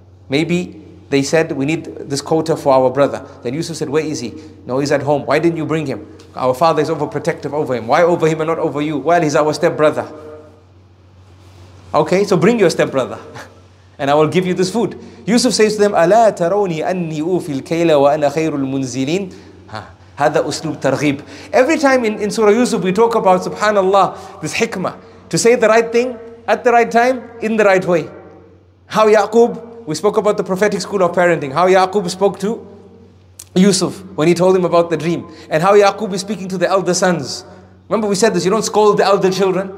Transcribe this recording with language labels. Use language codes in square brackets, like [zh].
[en] Maybe they said, we need this quota for our brother. Then Yusuf said, where is he? No, he's at home. Why didn't you bring him? Our father is overprotective over him. Why over him and not over you? Well, he's our stepbrother. Okay, so bring your stepbrother. And I will give you this food. Yusuf says to them, [ar] أَلَا تَرَوْنِي أَنِّي أُوفِي الْكَيْلَ وَأَنَا خَيْرُ الْمُنزِلِينَ هَذَا أُسْلُوبُ تَرْغِيبٍ. [en] Every time in Surah Yusuf, we talk about, subhanAllah, this hikmah. To say the right thing, at the right time, in the right way. How Yaqub, we spoke about the prophetic school of parenting. How Yaqub spoke to Yusuf when he told him about the dream. And how Yaqub is speaking to the elder sons. Remember we said this, you don't scold the elder children.